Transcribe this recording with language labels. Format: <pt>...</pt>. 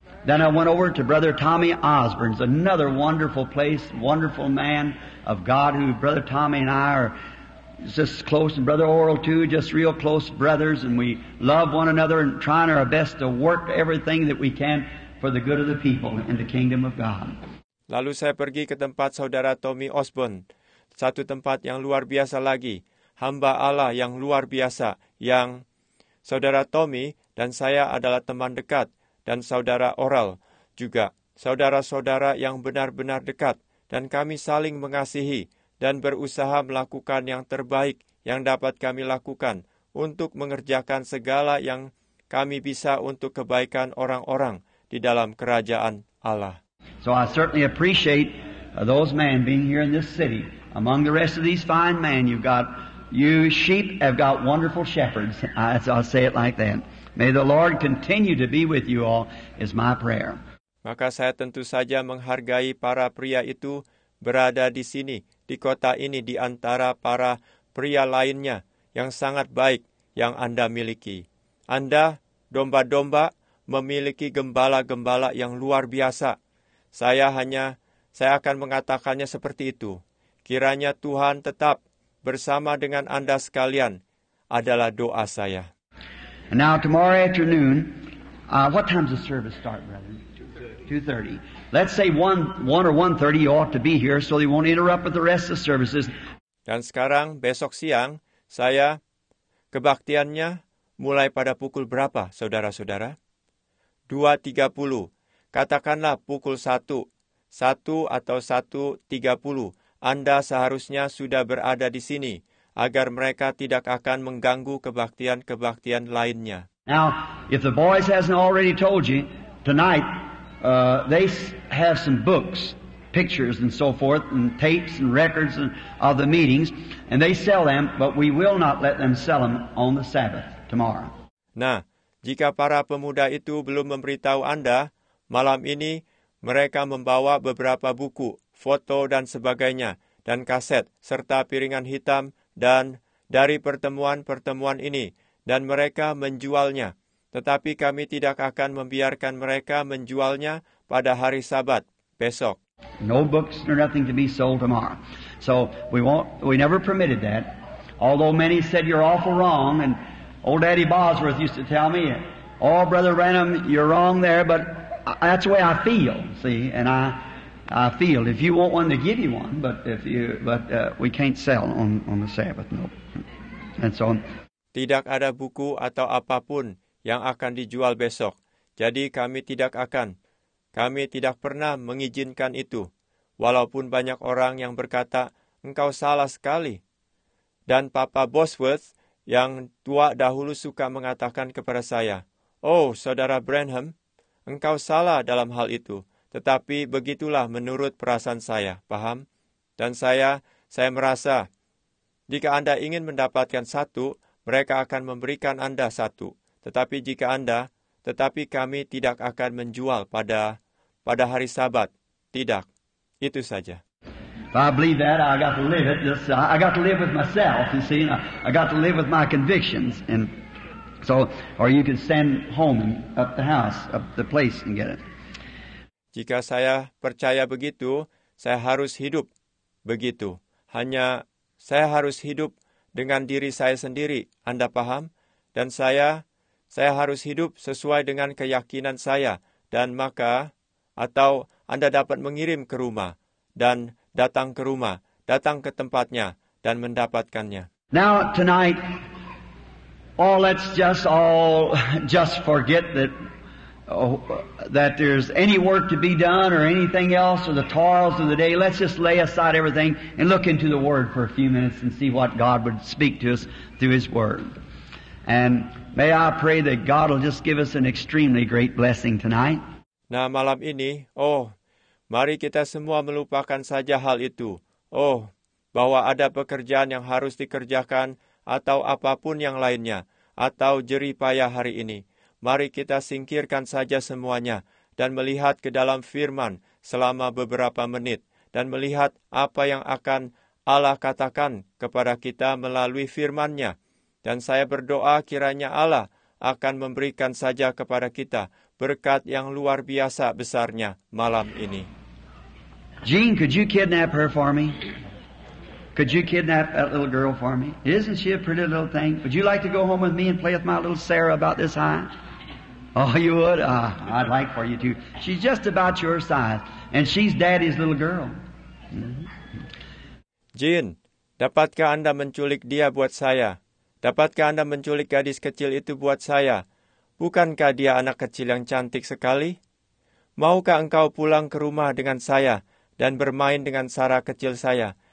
<en>Then I went over to Brother Tommy Osborne's, another wonderful place, wonderful man of God who Brother Tommy and I are just close, and Brother Oral too, just real close brothers, and we love one another and trying our best to work everything that we can for the good of the people and the kingdom of God.</en> <id>Lalu saya pergi ke tempat Saudara Tommy Osborne, satu tempat yang luar biasa lagi, hamba Allah yang luar biasa, yang Saudara Tommy dan saya adalah teman dekat, dan Saudara Oral juga, saudara-saudara yang benar-benar dekat, dan kami saling mengasihi dan berusaha melakukan yang terbaik yang dapat kami lakukan untuk mengerjakan segala yang kami bisa untuk kebaikan orang-orang di dalam kerajaan Allah.</id> <en>So I certainly appreciate those men being here in this city. Among the rest of these fine men, you sheep have got wonderful shepherds. I'll say it like that. May the Lord continue to be with you all is my prayer.</en> <id>Maka saya tentu saja menghargai para pria itu berada di sini, di kota ini, di antara para pria lainnya yang sangat baik yang Anda miliki. Anda, domba-domba, memiliki gembala-gembala yang luar biasa. Saya akan mengatakannya seperti itu. Kiranya Tuhan tetap bersama dengan Anda sekalian adalah doa saya.</id> <en>And now tomorrow afternoon, what time does the service start, brother? 2:30. Let's say 1 or 1:30 you ought to be here so they won't interrupt with the rest of the services.</en> <id>Dan sekarang besok siang saya Kebaktiannya mulai pada pukul berapa, saudara-saudara? 2:30. Katakanlah pukul 1. 1 atau 1:30. Anda seharusnya sudah berada di sini agar mereka tidak akan mengganggu kebaktian-kebaktian lainnya.</id> <en>Now, if the boys hasn't already told you tonight, they have some books, pictures and so forth, and tapes and records and of the meetings, and they sell them, but we will not let them sell them on the Sabbath tomorrow.</en> <id>Nah, jika para pemuda itu belum memberitahu Anda, malam ini mereka membawa beberapa buku, foto dan sebagainya, dan kaset, serta piringan hitam dan dari pertemuan-pertemuan ini, dan mereka menjualnya. Tetapi kami tidak akan membiarkan mereka menjualnya pada hari Sabat, besok.</id> <en>No books or nothing to be sold tomorrow. So we never permitted that. Although many said you're awful wrong, and old Daddy Bosworth used to tell me, oh, Brother Branham, you're wrong there, but that's the way I feel, see, and I feel. If you want one, they give you one, but we can't sell on the Sabbath, no. And so on.</en> <id>Tidak ada buku atau apapun yang akan dijual besok. Jadi kami tidak akan. Kami tidak pernah mengizinkan itu. Walaupun banyak orang yang berkata, engkau salah sekali. Dan Papa Bosworth yang tua dahulu suka mengatakan kepada saya, oh, Saudara Branham, engkau salah dalam hal itu. Tetapi begitulah menurut perasaan saya, paham? Dan saya merasa, jika Anda ingin mendapatkan satu, mereka akan memberikan Anda satu. Tetapi kami tidak akan menjual pada hari Sabat. Tidak. Itu saja.</id> <en>If I believe that, I got to live it. Just, I got to live with myself, you see. I got to live with my convictions. And so, or you can send home and up the house, up the place and get it.</en> <id>Jika saya percaya begitu, saya harus hidup begitu. Hanya saya harus hidup dengan diri saya sendiri, Anda paham? Dan saya harus hidup sesuai dengan keyakinan saya. Dan maka, atau Anda dapat mengirim ke rumah, dan datang ke rumah, datang ke tempatnya, dan mendapatkannya.</id> <en>Now, tonight, let's just just forget that. Oh, that there's any work to be done or anything else or the toils of the day, let's just lay aside everything and look into the Word for a few minutes and see what God would speak to us through His Word. And may I pray that God will just give us an extremely great blessing tonight.</en> <id>Nah, malam ini, oh, mari kita semua melupakan saja hal itu. Oh, bahwa ada pekerjaan yang harus dikerjakan atau apapun yang lainnya, atau jerih payah hari ini. Mari kita singkirkan saja semuanya dan melihat ke dalam firman selama beberapa menit dan melihat apa yang akan Allah katakan kepada kita melalui firman-Nya. Dan saya berdoa kiranya Allah akan memberikan saja kepada kita berkat yang luar biasa besarnya malam ini.</id> <en>Jean, could you kidnap her for me? Could you kidnap that little girl for me? Isn't she a pretty little thing? Would you like to go home with me and play with my little Sarah about this high? Oh, you would? I'd like for you to. She's just about your size, and she's daddy's little girl.</en> <id>Jean, dapatkah Anda menculik dia buat saya? Dapatkah Anda menculik gadis kecil itu buat saya? Bukankah dia anak kecil yang cantik sekali? Maukah engkau pulang ke rumah dengan saya dan bermain dengan Sarah kecil saya?</id>